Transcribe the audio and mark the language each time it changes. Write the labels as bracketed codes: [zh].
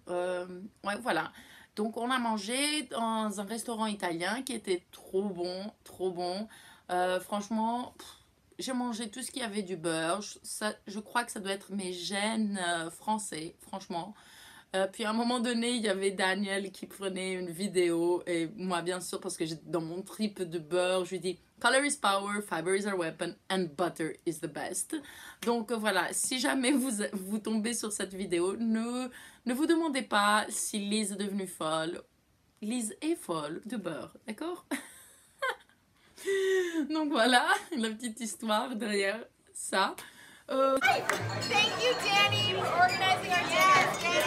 [fr] Ouais, voilà. Donc, on a mangé dans un restaurant italien qui était trop bon, trop bon. Franchement, j'ai mangé tout ce qu'il y avait du beurre. Je crois que ça doit être mes gènes français, franchement. Puis, à un moment donné, il y avait Daniel qui prenait une vidéo. Et moi, bien sûr, parce que dans mon trip de beurre, je lui dis... [en] Color is power, fiber is our weapon, and butter is the best. [fr] Donc voilà, si jamais vous tombez sur cette vidéo, ne vous demandez pas si Liz est devenue folle. Liz est folle de beurre, d'accord? Donc voilà, la petite histoire derrière ça. [en] Thank you, Danny, for organizing our dance.